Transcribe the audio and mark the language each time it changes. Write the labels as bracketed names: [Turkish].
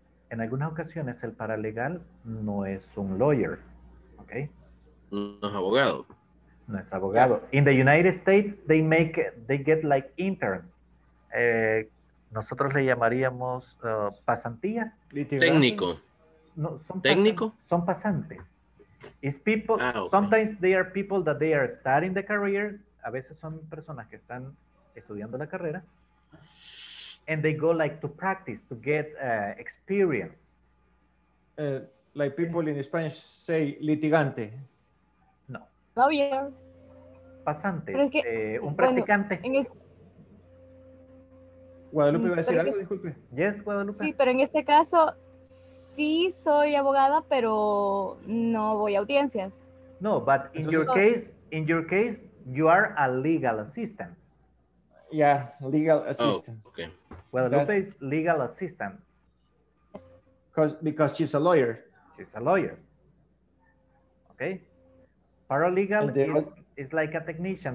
[Spanish] En algunas ocasiones el paralegal no es un lawyer, okay? No es abogado. No es abogado. [English] In the United States, they get like interns. [Spanish] Nosotros le llamaríamos pasantías. Técnico. No, son técnico. Son pasantes. [English] It's people. Ah, okay. Sometimes they are people that they are starting the career. [Spanish] A veces son personas que están estudiando la carrera. [English] And they go like to practice to get experience. Like people in Spanish say litigante. No. Lawyer. [Spanish] Pasante. Un practicante. Guadalupe, ¿va a decir algo? Disculpe. [English] Yes, Guadalupe. [Spanish] Sí, pero en este caso sí soy abogada, pero no voy a audiencias. [English] No, but in your case, you are a legal assistant. Yeah, legal assistant. Oh, okay. Well, Lupe is legal assistant. Because she's a lawyer. She's a lawyer. Okay. Paralegal is like a technician.